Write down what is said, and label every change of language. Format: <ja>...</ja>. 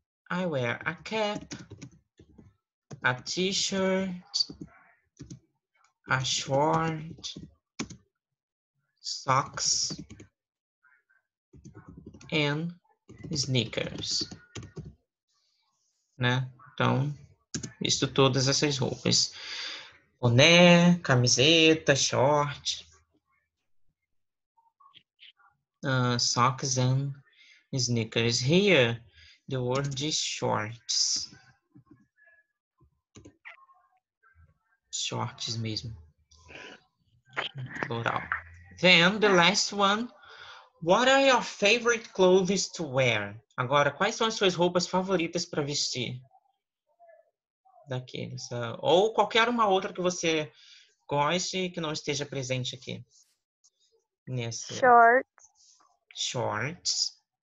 <en>I wear a cap, a t-shirt, a short, socks, and sneakers.</en> <pt>Né? Então, visto todas essas roupas. Boné, camiseta, short,</pt> <en>socks and sneakers. Here, the word is shorts.</en> <pt>Shorts mesmo. Plural.</pt> <en>Then, the last one. What are your favorite clothes to wear?</en> <pt>Agora, quais são as suas roupas favoritas para vestir? Daqueles. Ou qualquer uma outra que você goste e que não esteja presente aqui. Nesse.</pt> <en>Shorts. Shorts.</en>